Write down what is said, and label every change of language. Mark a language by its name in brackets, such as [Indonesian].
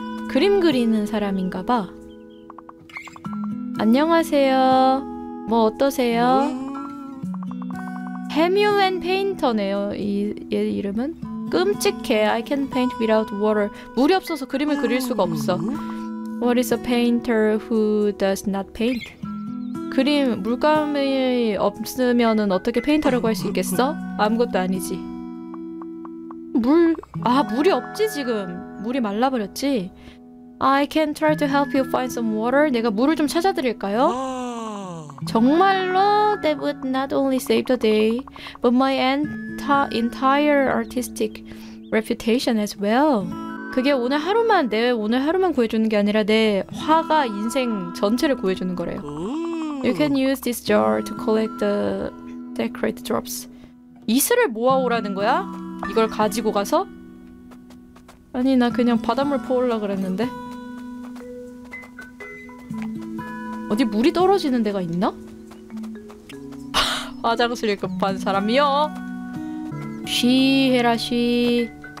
[Korean] 그림 그리는 사람인가 봐. 안녕하세요. 뭐 어떠세요? 해뮤 앤 페인터네요. 얘 이름은? 끔찍해. [English] I can't paint without water. [Korean] 물이 없어서 그림을 그릴 수가 없어. [English] What is a painter who does not paint? [Korean] 그림, 물감이 없으면은 어떻게 페인터라고 할 수 있겠어? 아무것도 아니지. 물, 아, 물이 없지 지금. 물이 말라버렸지. [English] I can try to help you find some water. [Korean] 내가 물을 좀 찾아드릴까요? 정말로? [English] That would not only save the day, but my entire artistic reputation as well. [Korean] 그게 오늘 하루만, 내 오늘 하루만 구해주는 게 아니라 내 화가 인생 전체를 구해주는 거래요. [English] You can use this jar to collect the decorate drops. [Korean] 이슬을 모아오라는 거야? 이걸 가지고 가서? 아니, 나 그냥 바닷물 퍼올라 그랬는데. 어디 물이 떨어지는 데가 있나? 화장실이 급한 사람이요. 쉬 해라 쉬.